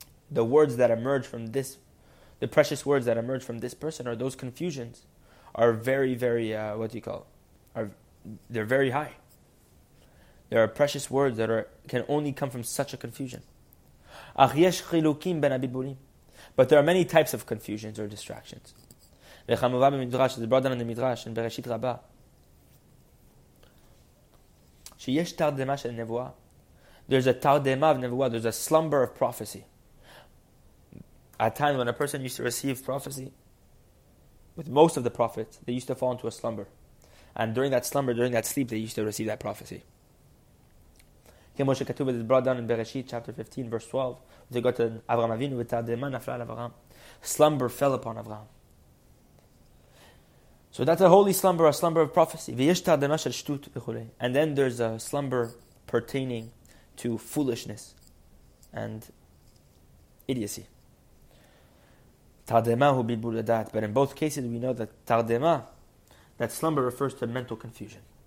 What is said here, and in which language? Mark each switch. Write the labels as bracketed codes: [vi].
[en] The words that emerge from this, the precious words that emerge from this person, or those confusions, are very, very, they're very high. There are precious words that can only come from such a confusion. [he] Ach yesh chilukim ben habiburim. [en] But there are many types of confusions or distractions. [he] וחמובה במדרש, זה ברודן למדרש, בראשית רבה, שיש תרדמה של נבואה, there's a תרדמה of נבואה, [en] there's a slumber of prophecy. At times when a person used to receive prophecy, with most of the prophets, they used to fall into a slumber. And during that slumber, during that sleep, they used to receive that prophecy. [he] כמו שכתוב, [en] it's brought down in בראשית, chapter 15, verse 12, they go to אברהם אבינו, [he] ותרדמה נפלה על אברהם. [en] Slumber fell upon אברהם. So that's a holy slumber, a slumber of prophecy. And then there's a slumber pertaining to foolishness and idiocy. But in both cases, we know that tardema, that slumber refers to mental confusion.